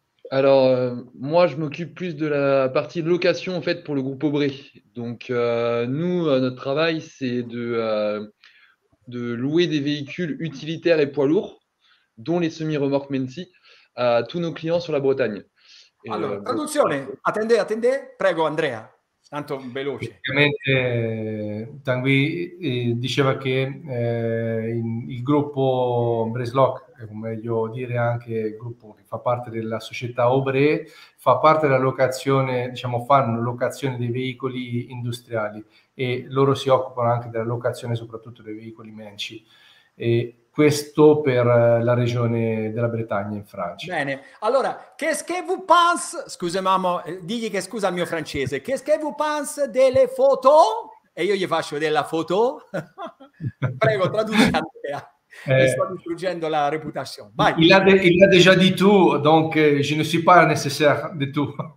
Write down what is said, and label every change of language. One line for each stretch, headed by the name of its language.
French: Alors, moi, je m'occupe plus de la partie de location, en fait, pour le groupe Aubry. Donc, nous, notre travail, c'est de louer des véhicules utilitaires et poids lourds, dont les semi-remorques Menzi, à tous nos clients sur la Bretagne. Et, alors,
Italian: traduzione.
French: Attendez, attendez.
Italian: Prego,
French: Andrea.
Italian: Tanto veloce. Ovviamente, Tanguy diceva che il gruppo Breslock, o meglio dire anche il gruppo che fa parte della società Aubry, fa parte della locazione, diciamo, fanno locazione dei veicoli industriali e loro si occupano anche della locazione soprattutto dei veicoli Menzi. E questo per la regione della Bretagna in Francia. Bene, allora,
French: qu'est-ce que vous pense,
Italian: scusa mamma, digli che scusa il mio francese,
French: qu'est-ce que vous pense
Italian: delle foto? E io gli faccio vedere la foto. Prego, traduci a te. Sto distruggendo la reputation. Vai.
French: Il l'a déjà dit tout, donc je ne suis pas nécessaire de tout.